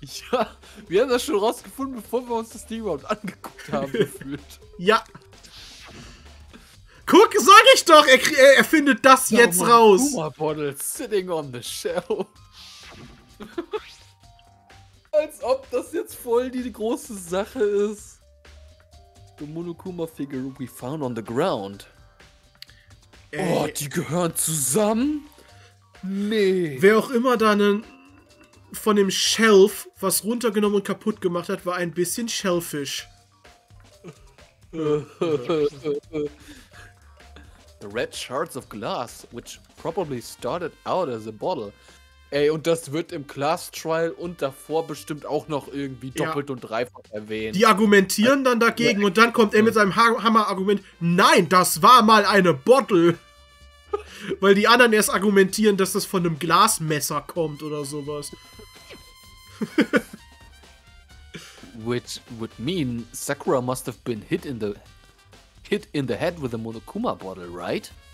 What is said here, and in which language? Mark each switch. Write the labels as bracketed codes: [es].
[de] Ja, wir haben das schon rausgefunden, bevor wir uns das Ding überhaupt angeguckt haben, gefühlt. Ja. Guck, sag ich doch, er findet das ja, jetzt man, raus. [en] Kuma-Bottle sitting on the shelf. [de] Als ob das jetzt voll die große Sache ist. [en] The Monokuma-Figure we found on the ground. [de] Ey. Oh, die gehören zusammen? Nee. Wer auch immer da einen von dem Shelf was runtergenommen und kaputt gemacht hat, war ein bisschen shellfish. [en] The red shards of glass, which probably started out as a bottle. [de] Ey, und das wird im Glass Trial und davor bestimmt auch noch irgendwie doppelt und dreifach erwähnt. Die argumentieren dann dagegen und dann kommt er mit seinem Hammer-Argument, nein, das war mal eine Bottle. Weil die anderen erst argumentieren, dass das von einem Glasmesser kommt oder sowas. [en] Which would mean Sakura must have been hit in the head with a Monokuma bottle, right?